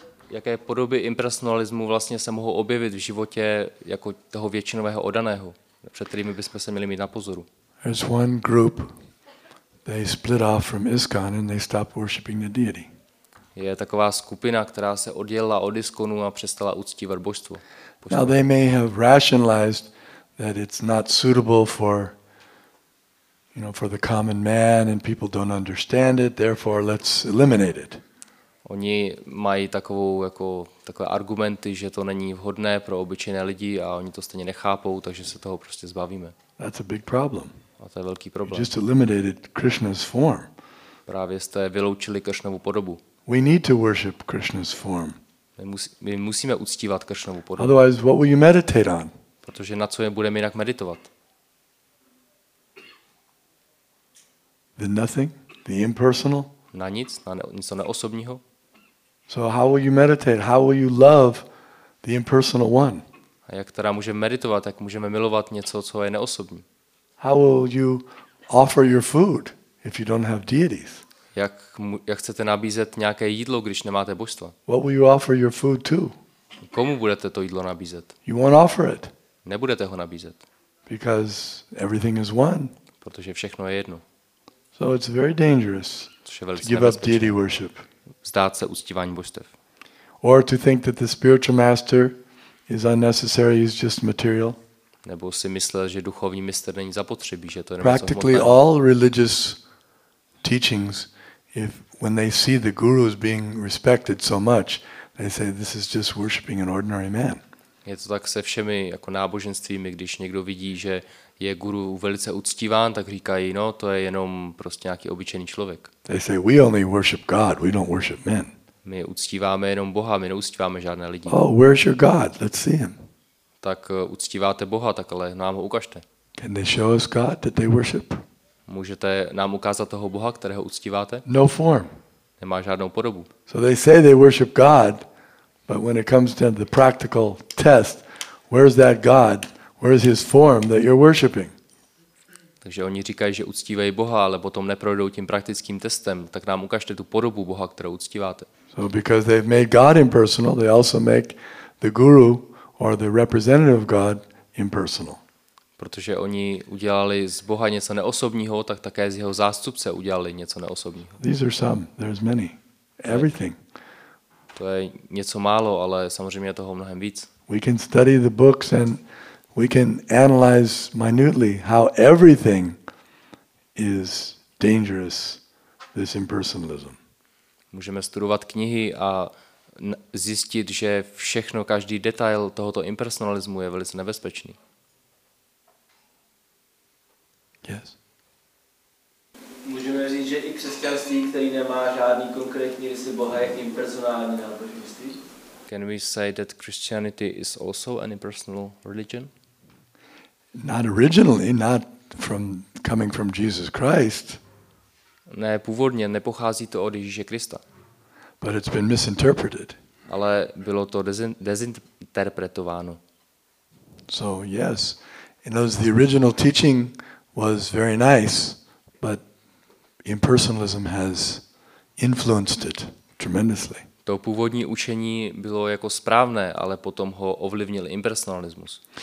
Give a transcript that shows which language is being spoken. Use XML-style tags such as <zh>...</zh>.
<cs>Jaké podoby impersonalismu vlastně se mohou objevit v životě jako toho většinového odaného, před kterými bychom se měli mít na pozoru?</cs> <en>There's one group, they split off from ISKCON and they stopped worshiping the deity.</en> <cs>Je taková skupina, která se oddělila od ISKCONu a přestala uctívat božstvo.</cs> <en>Now they may have rationalized that it's not suitable for the common man and people don't understand it, therefore let's eliminate it.</en> <cs>Oni mají takové argumenty, že to není vhodné pro obyčejné lidi a oni to stejně nechápou, takže se toho prostě zbavíme.</cs> <en>That's a big problem.</en> <cs>A to je velký problém.</cs> <en>You just eliminated Krishna's form.</en> <cs>Právě jste vyloučili Krishnovu podobu.</cs> <en>We need to worship Krishna's form.</en> <cs>My musíme uctívat Krishnovu podobu.</cs> <en>Otherwise, what will you meditate on?</en> <cs>Protože na co je budeme jinak meditovat?</cs> <en>The nothing, the impersonal.</en> <cs>Na nic, na něco neosobního.</cs> <en>So how will you meditate? How will you love the impersonal one?</en> <cs>A jak teda můžeme meditovat, jak můžeme milovat něco, co je neosobní?</cs> <en>How will you offer your food if you don't have deities?</en> <cs>Jak chcete nabízet nějaké jídlo, když nemáte božstva?</cs> <en>What will you offer your food to?</en> <cs>Komu budete to jídlo nabízet?</cs> <en>You won't offer it.</en> <cs>Nebudete ho nabízet.</cs> <en>Because everything is one.</en> <cs>Protože všechno je jedno.</cs> <en>So it's very dangerous to give up deity worship.</en> <cs>Vzdát se uctívání božstev.</cs> <en>Or to think that the spiritual master is unnecessary, he's just material.</en> <cs>Nebo si myslel, že duchovní mistr není zapotřebí, že to je.</cs> <en>Practically all religious teachings, if when they see the guru is being respected so much, they say this is just worshiping an ordinary man.</en> <cs>Je to tak se všemi jako náboženstvími, když někdo vidí, že je guru velice uctíván, tak říkají, no, to je jenom prostě nějaký obyčejný člověk.</cs> <en>They say we only worship God, we don't worship men.</en> <cs>My uctíváme jenom Boha, my neuctíváme žádné lidi.</cs> <en>Oh, where's your God? Let's see him.</en> <cs>Tak uctíváte Boha, tak ale nám ho ukažte.</cs> <en>Can they show us God that they worship?</en> <cs>Můžete nám ukázat toho Boha, kterého uctíváte?</cs> <en>No form.</en> <cs>Nemá žádnou podobu.</cs> <en>So they say they worship God, but when it comes to the practical test, where's that God? Where is his form that you're worshiping?</en> <cs>Takže oni říkají, že uctívají Boha, ale potom neprojdou tím praktickým testem, tak nám ukažte tu podobu Boha, kterou uctíváte.</cs> <en>So because they've made God impersonal, they also make the guru or the representative of God impersonal.</en> <cs>Protože oni udělali z Boha něco neosobního, tak také z jeho zástupce udělali něco neosobního.</cs> <en>These are some, there's many. Everything.</en> <cs>To je něco málo, ale samozřejmě toho mnohem víc.</cs> <en>We can study the books and We can analyze minutely how everything is dangerous, this impersonalism.</en> <cs>Můžeme studovat knihy a zjistit, že všechno, každý detail tohoto impersonalismu je velice nebezpečný.</cs> <en>Yes.</en> <cs>Můžeme říct, že i křesťanství, který nemá žádný konkrétní rysy Boha, je impersonální náboženství?</cs> <en>Can we say that Christianity is also an impersonal religion? Not originally, not from coming from Jesus Christ.</en> <cs>Ne, původně nepochází to od Ježíše Krista.</cs> <en>But it's been misinterpreted.</en> <cs>Ale bylo to dezinterpretováno.</cs> <en>So yes, in other words, the original teaching was very nice, but impersonalism has influenced it tremendously.</en> <cs>To původní učení bylo jako správné, ale potom ho ovlivnil impersonalismus.</cs>